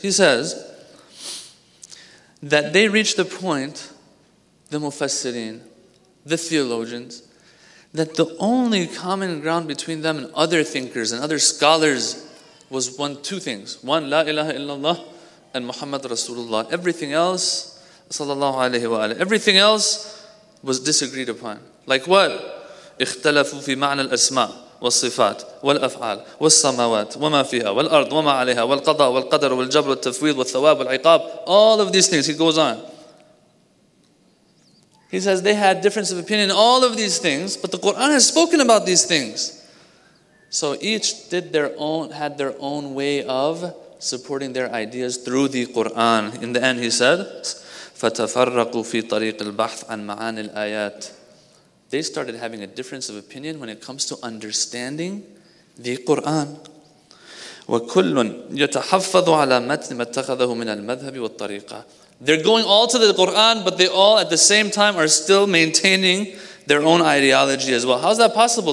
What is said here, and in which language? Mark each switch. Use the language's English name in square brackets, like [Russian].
[English] He says that they reached the point, the mufassirin, the theologians, that the only common ground between them and other thinkers and other scholars was one, two things. One, la ilaha illallah and Muhammad Rasulullah. Everything else, sallallahu alayhi wa alayhi. Everything else was disagreed upon. Like what? [Arabic] اختلفوا في معنى الأسماء والصفات والأفعال والسماوات وما فيها والأرض وما عليها والقضاء والقدر والجبر والتفويض والثواب والعقاب. [English] All of these things. He goes on. He says they had difference of opinion in all of these things, but the Quran has spoken about these things. So each had their own way of supporting their ideas through the Quran. In the end, he said, [Arabic] فَتَفَرَّقُوا فِي طَرِيقِ الْبَحْثِ عَنْ مَعَانِ الْآيَاتِ. [English] They started having a difference of opinion when it comes to understanding the Quran. [Arabic] وَكُلٌّ يَتَحَفَّظُ عَلَى مَتْنِ مَتَّخَذَهُ مِنَ الْمَذْهَبِ وَالطَّرِيقَةِ. [English] They're going all to the Quran, but they all at the same time are still maintaining their own ideology as well. How's that possible?